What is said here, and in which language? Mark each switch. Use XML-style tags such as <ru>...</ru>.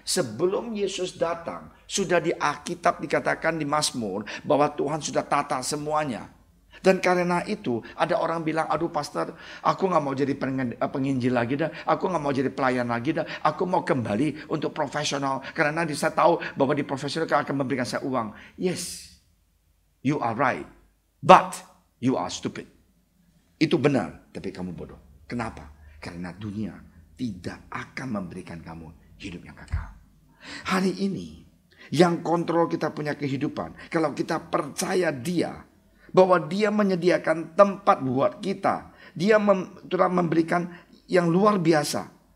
<id>Sebelum Yesus datang, sudah di Alkitab dikatakan di Mazmur bahwa Tuhan sudah tata semuanya. Dan karena itu ada orang bilang, aduh pastor, aku gak mau jadi penginjil lagi dah, aku gak mau jadi pelayan lagi dah, aku mau kembali untuk profesional. Karena saya tahu bahwa di profesional akan memberikan saya uang.</id> <en>Yes, you are right, but you are stupid.</en> <id>Itu benar, tapi kamu bodoh. Kenapa? Karena dunia tidak akan memberikan kamu hidup yang kekal. Hari ini, yang kontrol kita punya kehidupan, kalau kita percaya dia, bahwa dia menyediakan tempat buat kita, dia telah memberikan yang luar biasa.</id>